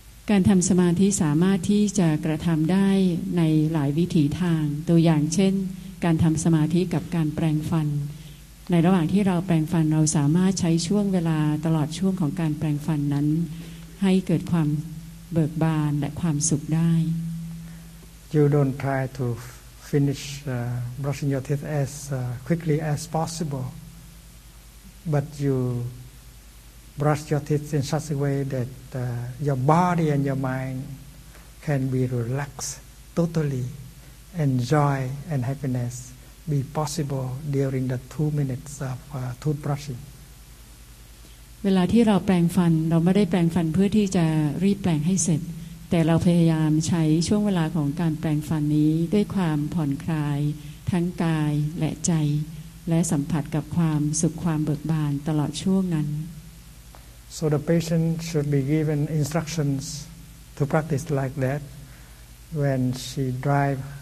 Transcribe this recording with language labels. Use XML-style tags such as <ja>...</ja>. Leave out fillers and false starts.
<th>การทำสมาธิสามารถที่จะกระทำได้ในหลายวิถีทางตัวอย่างเช่นการทำสมาธิกับการแปรงฟันในระหว่างที่เราแปรงฟันเราสามารถใช้ช่วงเวลาตลอดช่วงของการแปรงฟันนั้นให้เกิดความเบิกบานและความสุขได้</th> <en>You don't try to finish brushing your teeth as quickly as possible but you brush your teeth in such a way that your body and your mind can be relaxed totallyAnd joy and happiness be possible during the 2 minutes of toothbrushing.</en> <th>เวลาที่เราแปรงฟันเราไม่ได้แปรงฟันเพื่อที่จะรีบแปรงให้เสร็จแต่เราพยายามใช้ช่วงเวลาของการแปรงฟันนี้ด้วยความผ่อนคลายทั้งกายและใจและสัมผัสกับความสุขความเบิกบานตลอดช่วงนั้น</th> <en>So the patient should be given instructions to practice like that when she drives.</en>